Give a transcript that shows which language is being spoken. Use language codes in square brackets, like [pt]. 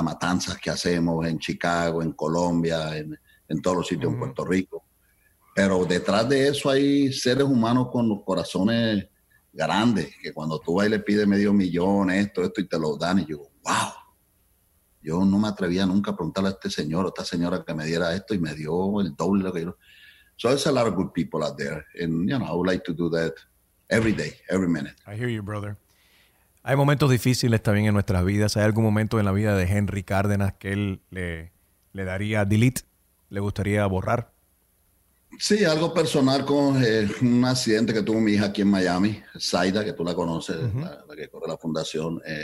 [es] Las matanzas que hacemos en Chicago, en Colombia, en todos los sitios, uh-huh, en Puerto Rico. Pero detrás de eso hay seres humanos con los corazones grandes, que cuando tú vas y le pides medio millón, esto, y te lo dan, y yo, wow, yo no me atrevía nunca a preguntarle a este señor o a esta señora que me diera esto, y me dio el doble de lo que yo. [en] So there's a lot of good people out there, and you know, I would like to do that every day, every minute. I hear you, brother. [es] Hay momentos difíciles también en nuestras vidas. ¿Hay algún momento en la vida de Henry Cárdenas que él le daría delete? ¿Le gustaría borrar? Sí, algo personal con un accidente que tuvo mi hija aquí en Miami, Zaida, que tú la conoces, uh-huh, la que corre la fundación.